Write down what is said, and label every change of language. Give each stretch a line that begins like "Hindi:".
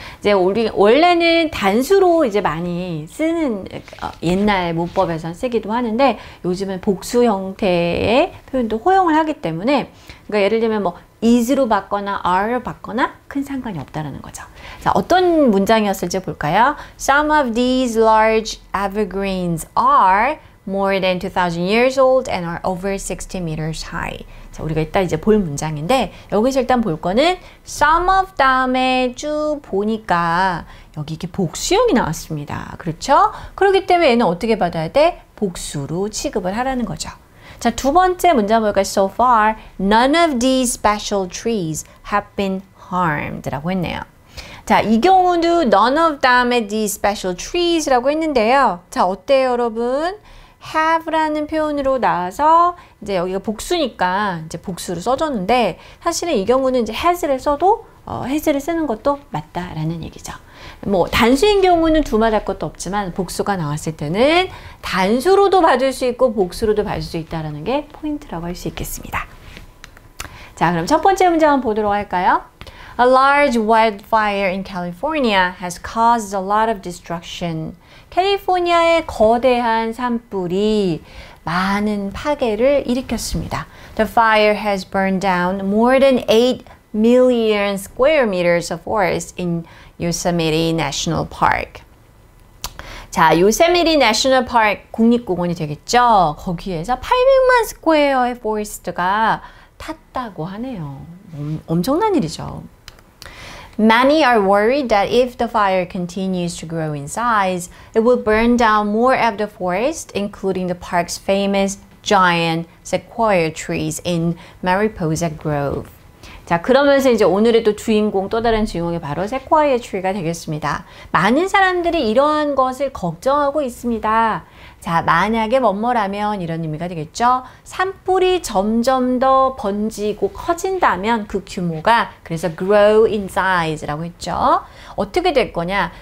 Korean: 이제, 원래는 단수로 이제 많이 쓰는, 옛날 문법에서 쓰기도 하는데, 요즘은 복수 형태의 표현도 허용을 하기 때문에, 그러니까 예를 들면 뭐, is로 받거나 are로 받거나 큰 상관이 없다라는 거죠. 자, 어떤 문장이었을지 볼까요?
English: Some of these large evergreens are more than 2,000 years old and are over 60 meters high.
Korean: 자, 우리가 이따 이제 볼 문장인데 여기서 일단 볼 거는 some of 다음에 쭉 보니까 여기 이렇게 복수형이 나왔습니다. 그렇죠? 그렇기 때문에 얘는 어떻게 받아야 돼? 복수로 취급을 하라는 거죠. 자, 두 번째 문장 볼까요?
English: So far, none of these special trees have been harmed
Korean: 라고 했네요. 자, 이 경우도 none of them의 these special trees 라고 했는데요. 자, 어때요, 여러분? have라는 표현으로 나와서 이제 여기가 복수니까 이제 복수로 써줬는데 사실은 이 경우는 이제 has를 써도 has를 쓰는 것도 맞다라는 얘기죠. 뭐 단수인 경우는 두말할 것도 없지만 복수가 나왔을 때는 단수로도 받을 수 있고 복수로도 받을 수 있다라는 게 포인트라고 할수 있겠습니다. 자, 그럼 첫 번째 문장 보도록 할까요?
English: A large wildfire in California has caused a lot of destruction.
Korean: 캘리포니아의 거대한 산불이 많은 파괴를 일으켰습니다.
English: The fire has burned down more than 8 million square meters of forest in Yosemite National Park.
Korean: 자, 요세미리 내셔널 파크 국립공원이 되겠죠? 거기에서 800만 스퀘어의 포레스트가 탔다고 하네요. 엄청난 일이죠.
English: Many are worried that if the fire continues to grow in size, it will burn down more of the forest, including the park's famous giant sequoia trees in Mariposa Grove.
Korean: 자, 그러면서 이제 오늘의 또 주인공, 또 다른 주인공이 바로 세콰이어 트리가 되겠습니다. 많은 사람들이 이러한 것을 걱정하고 있습니다. 자, 만약에 뭐뭐라면 이런 의미가 되겠죠? 산불이 점점 더 번지고 커진다면 그 규모가, 그래서
English: grow in size
Korean: 라고 했죠? 어떻게 될 거냐?